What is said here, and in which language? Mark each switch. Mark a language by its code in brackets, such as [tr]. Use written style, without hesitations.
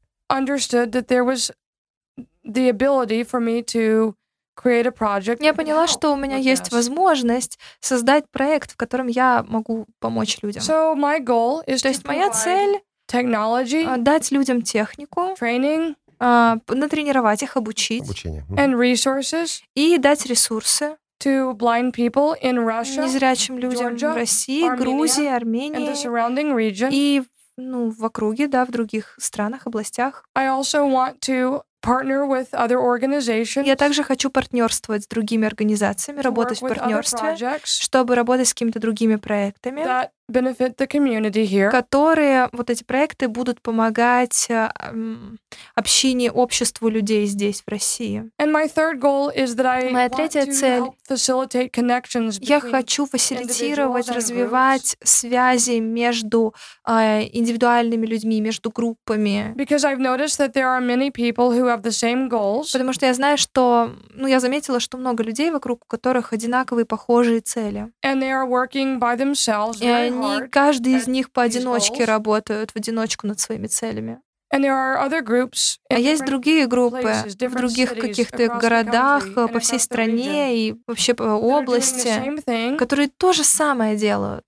[en] Understood that there was the ability for me to create a project. [ru] Я поняла, что у меня есть возможность создать проект, в котором я могу помочь людям. [en] So my goal is to provide technology, [ru] дать людям технику, [en] training, [ru] натренировать их, обучить, обучение, [en] and resources, [ru] и дать ресурсы [en] to blind people in Russia, [ru] незрячим людям [en] Georgia, [ru] в России, [en] Armenia, [ru] Грузии, Армении, [en] and the surrounding region, [ru] и ну, в округе, да, в других странах, областях. [en] I also want to partner with other organizations. [ru] Я также хочу партнерствовать с другими организациями, работать в партнерстве, чтобы работать с какими-то другими проектами, [en] that benefit the community here. [ru] Которые, вот эти проекты, будут помогать общине, обществу людей здесь, в России. [en] And my third goal is that I [ru] моя третья цель — [en] help facilitate connections between individuals. [ru] Я хочу фасилитировать, развивать связи между индивидуальными людьми, между группами. [en] Because I've noticed that there are many people who have the same goals. [ru] Потому что я знаю, что, ну, я заметила, что много людей вокруг, у которых одинаковые, похожие цели. [en] And they are working by themselves. [ru] И они, каждый из них поодиночке работают, в одиночку над своими целями. [en] And there are other groups in [ru] а есть другие группы [en] places, [ru] в других каких-то городах, по всей стране и вообще по области, которые то же самое делают.